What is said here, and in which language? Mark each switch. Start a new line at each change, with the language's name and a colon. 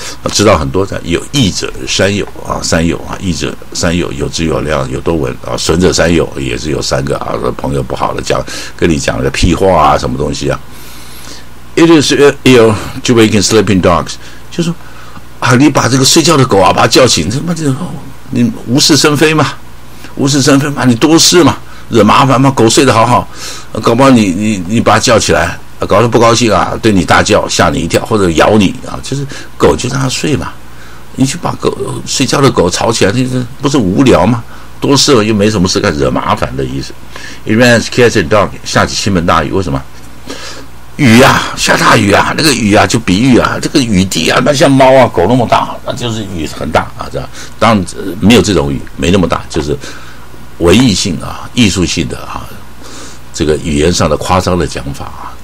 Chinese: 知道很多的有义者三友啊，三友啊，义者三友，有知有量有多闻啊，损者三友也是有三个啊，朋友不好的讲跟你讲个屁话啊，什么东西啊 ？
English: It is ill to wake sleeping dogs，
Chinese: 就说啊，你把这个睡觉的狗啊，把它叫醒，他妈的，你无事生非嘛，无事生非嘛，你多事嘛，惹麻烦嘛，狗睡得好好，啊、搞不好你把它叫起来。搞得不高兴啊，对你大叫吓你一跳，或者咬你啊，就是狗就让它睡嘛，你去把狗睡觉的狗吵起来，那不是无聊吗？多事了又没什么事干，惹麻烦的意思。
English: It rains, cats and dogs，
Chinese: 下起倾盆大雨，为什么？雨啊，下大雨啊，那个雨啊就比喻啊，这个雨滴啊，那像猫啊狗那么大，那就是雨很大啊，这样。当然、没有这种雨，没那么大，就是文艺性啊、艺术性的啊，这个语言上的夸张的讲法啊。